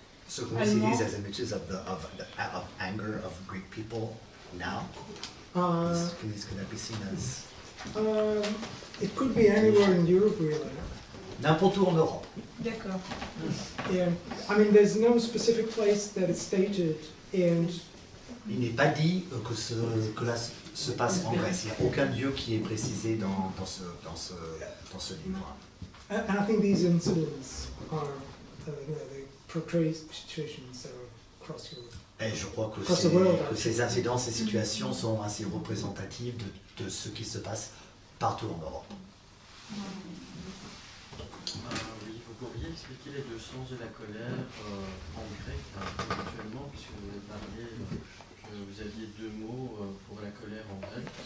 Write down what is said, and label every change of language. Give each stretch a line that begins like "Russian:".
English: So, can we see these as images of anger of Greek people? Now, is going to be seen as. It could be anywhere in Europe, really.
French: N'importe où en Europe. D'accord.
English: Yeah, I mean, there's no specific place that it's stated, and.
French: Il n'est pas dit que cela se passe en Grèce. Il n'y a aucun lieu qui est précisé dans ce livre.
English: And I think these incidents are the portrayed situations that are across Europe.
French: Et je crois que ces incidents, ces situations sont assez représentatives de ce qui se passe partout en Europe. Oui, vous pourriez expliquer les deux sens de la colère en grec actuellement, puisque vous avez parlé que vous aviez deux mots pour la colère en grec.